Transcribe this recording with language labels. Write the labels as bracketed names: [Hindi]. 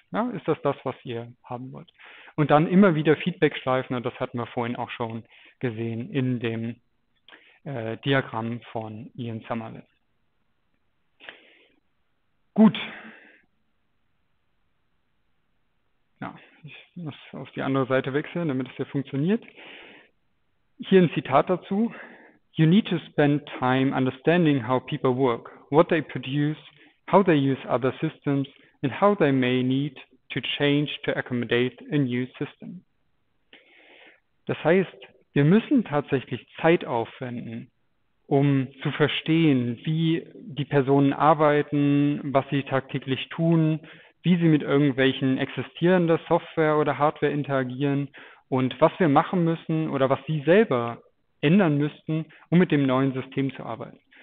[German] Ja, ist das das, was ihr haben wollt? Und dann immer wieder Feedback-Schleifen, und das hatten wir vorhin auch schon gesehen in dem Diagramm von Ian Summerville. Gut. Ja, ich muss auf die andere Seite wechseln, damit es hier funktioniert. Hier ein Zitat dazu. [English] You need to spend time understanding how people work, what they produce, how they use other systems and how they may need to change to accommodate a new system. [German] Das heißt, wir müssen tatsächlich Zeit aufwenden, um zu verstehen, wie die Personen arbeiten, was sie tagtäglich tun, wie sie mit irgendwelchen existierenden Software oder Hardware interagieren und was wir machen müssen oder was sie selber ändern müssten, um mit dem neuen System zu arbeiten.